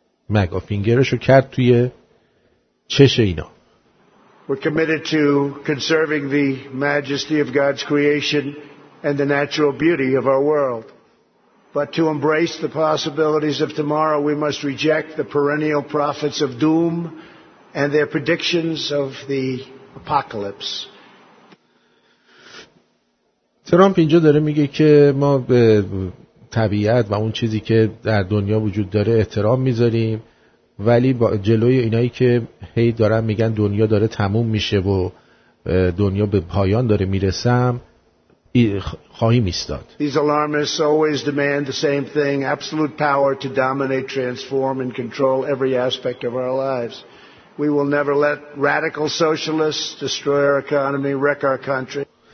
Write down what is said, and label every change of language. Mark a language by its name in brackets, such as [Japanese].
[Persian] مگا فینگرشو کرد توی چش اینا. [English] We're committed to conserving the majesty of God's creation and the natural beauty of our world. But to embrace the possibilities of tomorrow, we must reject the perennial prophets of doom and their predictions of the apocalypse. [Persian] ترامپ اینجا داره میگه که ما به طبیعت و اون چیزی که در دنیا وجود داره احترام میذاریم، ولی جلوی اینایی که هی دارن میگن دنیا داره تموم میشه و دنیا به پایان داره میرسم خواهیم ایستاد. [English] These alarmists always demand the same thing, absolute power to dominate, transform and control every aspect of our lives. We will never let radical socialists destroy our economy, wreck our country.